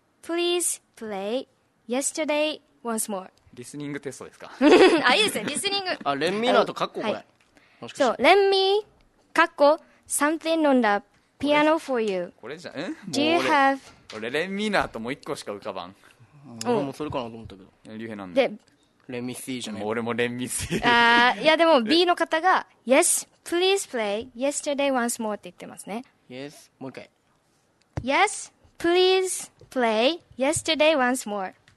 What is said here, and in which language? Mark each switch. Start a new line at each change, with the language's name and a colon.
English: Please play yesterday once more
Japanese: リスニングテストですか。あ、いいですね、リスニング。あ、レンミーの後カッコ、これ、はい、しそう、レンミーカッコ
English: something on the piano for you。
Japanese: これじゃん、え、
English: Do you have、
Japanese: 俺レンミーの後もう一個しか浮かばん。俺もそれかなと思ったけど、リュウヘなんで。レンミー C じゃない、俺もレンミー C。いや、でも B の方が
English: Yes, please play yesterday once more
Japanese: って言ってますね。 Yes, もう一回。
English: Yes, please play yesterday once more。